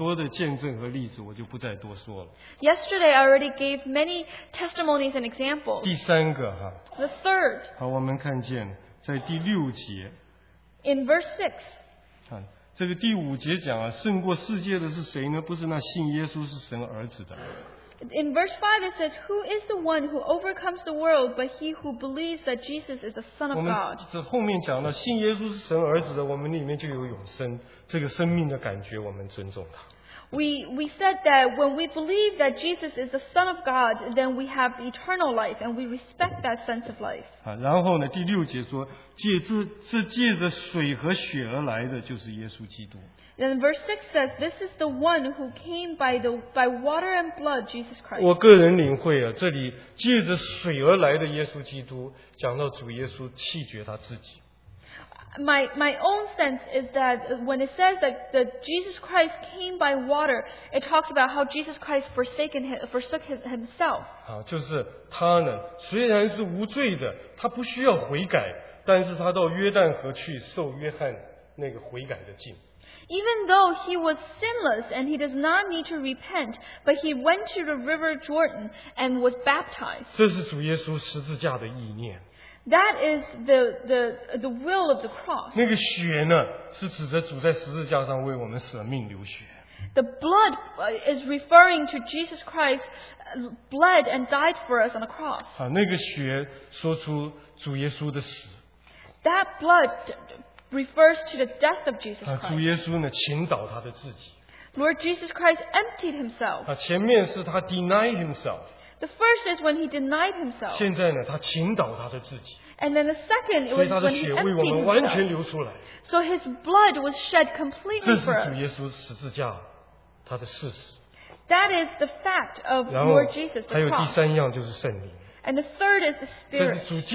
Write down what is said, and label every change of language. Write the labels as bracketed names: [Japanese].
[Chinese] 我昨天呢已经讲了很多的见证和例子，我就不再多说了。 [English] Yesterday I already gave many testimonies and examples. [Chinese] 第三个哈, [English] the third. [Chinese] 好，我们看见在第六节。 [English] In verse 6. [Chinese] 这个第五节讲啊，胜过世界的是谁呢？不是那信耶稣是神儿子的。 [English] In verse 5, it says, who is the one who overcomes the world but he who believes that Jesus is the Son of God? [Chinese] 我们这后面讲到, 信耶稣是神儿子的, 我们里面就有永生, 这个生命的感觉我们尊重他。 [English] We said that when we believe that Jesus is the Son of God, then we have eternal life and we respect that sense of life. [Chinese] 啊, 然后呢, 第六节说, 借着水和血而来的就是耶稣基督。 [English] Then verse 6 says, this is the one who came by water and blood, Jesus Christ. [Chinese] 我个人领会啊, 这里借着水而来的耶稣基督, 讲到主耶稣弃绝他自己。 [English] My own sense is that when it says that Jesus Christ came by water, it talks about how Jesus Christ forsook himself. [Chinese] 好, 就是他呢, 虽然是无罪的, 他不需要悔改, 但是他到约旦河去受约翰那个悔改的敬。 [English] Even though he was sinless and he does not need to repent, but he went to the river Jordan and was baptized. [Chinese] 这是主耶稣十字架的意念。 [English] That is the will of the cross. [Chinese] 那个血呢, 是指着主在十字架上为我们舍命流血。 [English] The blood is referring to Jesus Christ bled and died for us on the cross. [Chinese] 啊, 那个血说出主耶稣的死。 [English] That blood refers to the death of Jesus Christ. [Chinese] 啊, 主耶稣呢, 倾倒他的自己。 [English] Lord Jesus Christ emptied himself. [Chinese] 啊, 前面是他 [English] denied himself. The first is when he denied himself. [Chinese] 现在呢, 他倾倒他的自己。 [English] And then the second it was when he emptied himself. So his blood was shed completely for us. [Chinese] 这是主耶稣十字架他的事实。 [English] That is the fact of Lord Jesus the cross. [Chinese] 还有第三样就是圣灵。 [English] And the third is the Spirit.